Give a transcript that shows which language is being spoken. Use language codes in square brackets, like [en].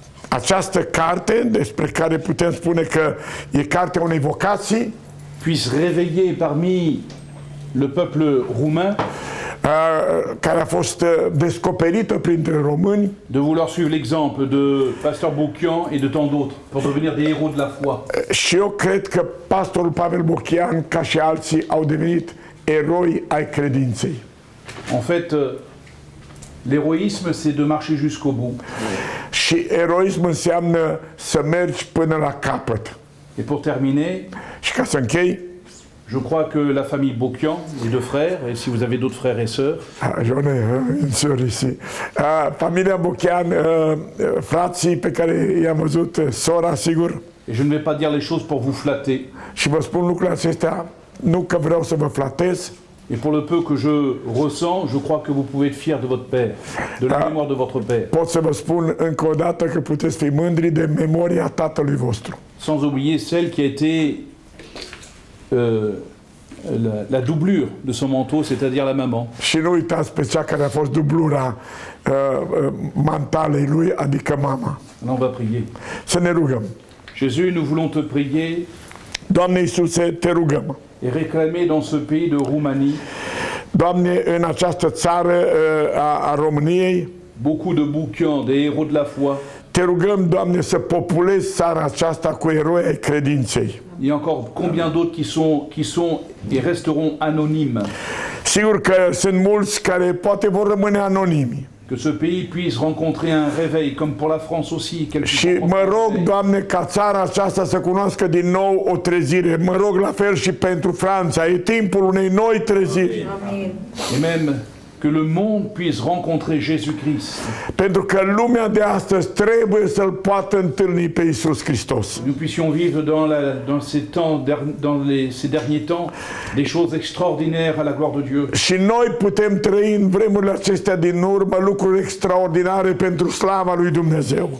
[ro] această carte, despre care putem spune că e cartea unei vocații, [fr] puisse réveiller parmi le peuple roumain, [ro] care a fost descoperită printre români, [fr] de vouloir suivre l'exemple de pasteur Bocchian et de tant d'autres pour devenir des héros de la foi. [ro] Și eu cred că pastorul Pavel Bocchian, ca și alții, au devenit eroi ai credinței. [fr] En fait, l'héroïsme, c'est de marcher jusqu'au bout. [ro] Și eroismul înseamnă să mergi până la capăt. [fr] Et pour terminer, [ro] și ca să închei, [fr] je crois que la famille Bocchian, les deux frères, et si vous avez d'autres frères et sœurs, j'en ai une sœur ici. [ro] Familia Bocchian, frații pe care i-am văzut, sora, sigur. [fr] Et je ne vais pas dire les choses pour vous flatter. [ro] Și vă spun lucrurile acestea, nu că vreau să vă flatez. [fr] Et pour le peu que je ressens, je crois que vous pouvez être fier de votre père, de la mémoire de votre père. [ro] Pot să vă spun încă o dată că puteți fi mândri de memoria tatălui vostru. [fr] Sans oublier celle qui a été la doublure de son manteau, c'est-à-dire la maman. [ro] Și nu uitați pe cea care a fost dublura mantalei lui, adică mama. [fr] On va prier. [ro] Să ne rugăm. [fr] Jésus, nous voulons te prier. [ro] Doamne Iisuse, te rugăm. [fr] Et réclamer dans ce pays de Roumanie, [ro] Doamne, în această țară a României, [fr] beaucoup de bouquins, des héros de la foi. [ro] Te rugăm, Doamne, să populezi țara aceasta cu eroi ai credinței. [fr] Il y a encore combien d'autres qui sont et resteront anonymes. [ro] Sigur că sunt mulți care poate vor rămâne anonimi. [fr] Que ce pays puisse rencontrer un réveil, comme pour la France aussi. [ro] Și mă rog, Doamne, ca țara aceasta să cunoască din nou o trezire. Mă rog la fel și pentru Franța. E timpul unei noi treziri. [fr] Et même que le monde puisse rencontrer Jésus-Christ. [ro] Pentru că lumea de astăzi trebuie să-L poată întâlni pe Iisus Hristos. [fr] Nous puissions vivre dans ces derniers temps des choses extraordinaires à la gloire de Dieu. [ro] Și noi putem trăi în vremurile acestea din urmă lucruri extraordinare pentru slava lui Dumnezeu.